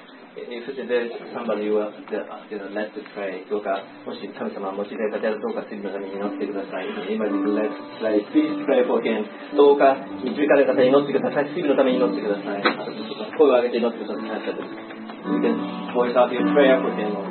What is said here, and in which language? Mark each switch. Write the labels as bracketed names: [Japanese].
[English] If there's somebody who wants to, you know, let's pray, [Japanese] どうかもし神様を用いられたらどうか次の方に祈ってください。今に [English] let's pray, please pray for him. [Japanese] どうか導かれた方に祈ってください。次のために祈ってください。声を上げて祈ってください。感謝です。 [English] You can voice out your prayer for him.